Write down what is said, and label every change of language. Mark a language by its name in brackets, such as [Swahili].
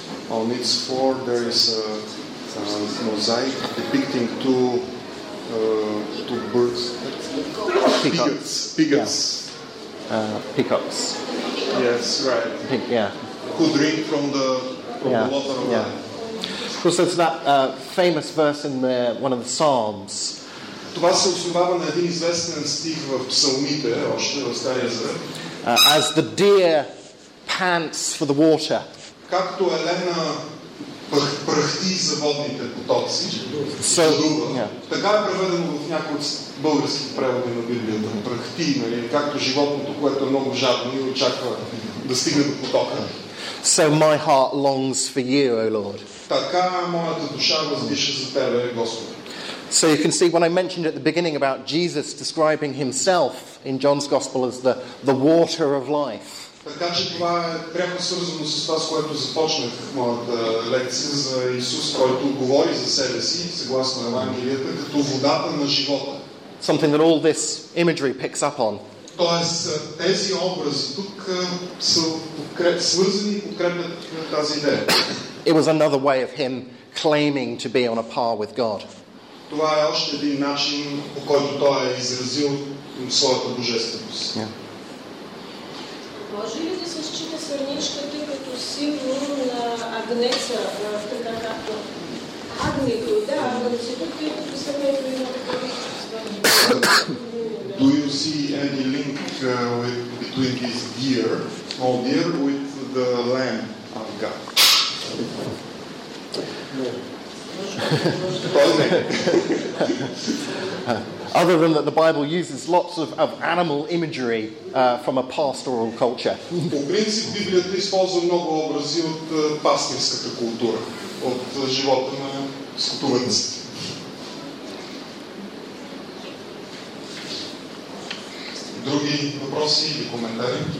[English] On its floor there is a mosaic depicting two birds. Peacocks. Peacocks. Yes, right. Yeah. Who drink from the water of life. Well, so it's that famous verse in one of the Psalms. [Bulgarian] Това се основава на един известен стих в Псалмите, още в Стария Завет. [English] As the deer pants for the water. [Bulgarian] Както елена пръхти за водните потоци. [English] So, [Bulgarian] така е преведено в някои български преводи на Библията. Пръхти, нали, както животното, което е много жадно и очаква да стигне до потока. [English] So my heart longs for you, O Lord. [Bulgarian] Така моята душа въздиша за тебе, Господи. [English] So you can see when I mentioned at the beginning about Jesus describing himself in John's Gospel as the water of life. [Bulgarian] Така че това е пряко свързано с това, с което започнах в моята лекция за Исус, който говори за себе си, съгласно Евангелията, като водата на живота. [English] Something that all this imagery picks up on. [Bulgarian] Тоест, тези образи тук са свързани и подкрепят тази идея. [English] It was another way of him claiming to be on a par with God. [Bulgarian] Това е още един начин, по който той е изразил своята божественост. Може ли да се счита сърничката като символ на Агнеца, така както Агнето, да, Агнецето, тъй като сърнето има такова. [English] Do you see any link between this deer, small deer, with the lamb of God? Other than that, the Bible uses lots of animal imagery from a pastoral culture. [Bulgarian] По принцип Библията използва много образи от пастирската култура, от живота на скотовъдниците. Други въпроси или коментари?